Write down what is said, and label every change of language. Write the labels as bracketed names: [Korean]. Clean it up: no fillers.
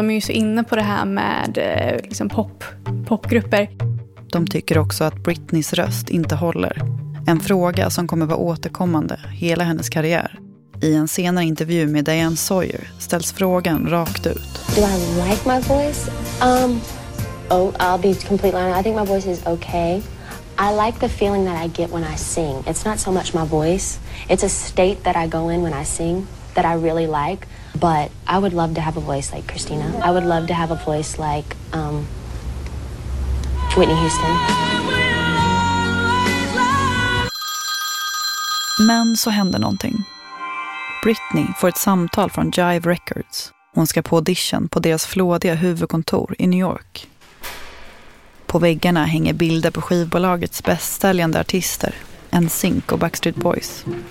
[Swedish] De är ju så inne på det här med liksom popgrupper. De tycker också att Britneys röst inte håller. En fråga som kommer vara återkommande hela hennes karriär. I en senare intervju med Diane Sawyer ställs frågan rakt ut. [English] Do I like my voice? I'll be completely honest. I think my voice is okay. I like the feeling that I get when I sing. It's not so much my voice. It's a state that I go in when I sing that I really like. But I would love to have a voice like Christina. I would love to have a voice like Whitney Houston. [Swedish] Men så händer någonting. Britney får ett samtal från Jive Records. Hon ska på audition på deras flådiga huvudkontor i New York. På väggarna hänger bilder på skivbolagets bästsäljande artister, NSYNC och Backstreet Boys.